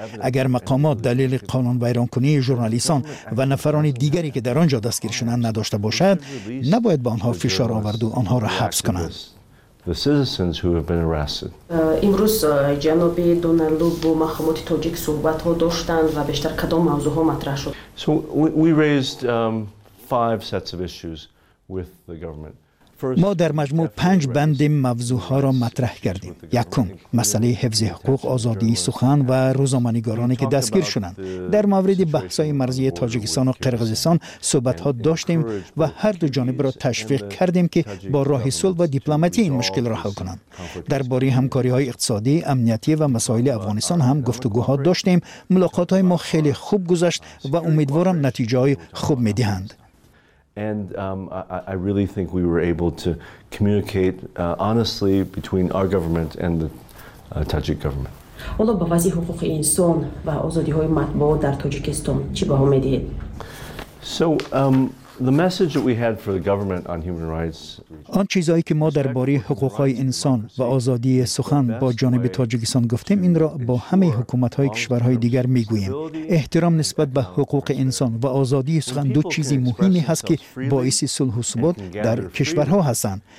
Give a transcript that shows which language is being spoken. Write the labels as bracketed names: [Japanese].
[Persian] اگر مقامات دلیل قانون ویران کنی ژورنالیستان و نفران دیگری که در آنجا دستگیر شدند نداشته باشد، نباید به آنها فشار آورد و آنها را حبس کنند. [English] The citizens who have been arrested. [Persian] امروز جناب دونالدو با مخامات تاجیک صحبت ها داشتند و بیشتر کدام موضوع ها مطرح شد؟ [English] So we raised five sets of issues with the government. [Persian] ما در مجموع پنج بند موضوع ها را مطرح کردیم. یکم، مسئله حفظ حقوق، آزادی سخن و روزنامه‌نگارانی که دستگیر شدند. در مورد بحث های مرزی تاجیکستان و قرغیزستان صحبت ها داشتیم و هر دو جانب را تشویق کردیم که با راه صلح و دیپلماتی این مشکل را حل کنند. درباره همکاری های اقتصادی، امنیتی و مسائل افغانستان هم گفتگوها داشتیم. ملاقات های ما خیلی خوب گذشت و امیدوارم نتیجه های خوب می دهند. [English] And I really think we were able to communicate honestly between our government and the Tajik government. [Persian] حالا با وضعیت حقوق انسان و آزادی های مطبوعات در تاجیکستان چی به امید هست؟ [English] The message that we had for the government on human rights. [Persian] آن چیزایی که ما درباره حقوق های انسان و آزادی سخن با جانب تاجیکستان گفتیم، این را با همه حکومت های کشورهای دیگر می گوییم. احترام نسبت به حقوق انسان و آزادی سخن دو چیزی مهمی هست که باعث صلح و ثبات در کشورها هستند.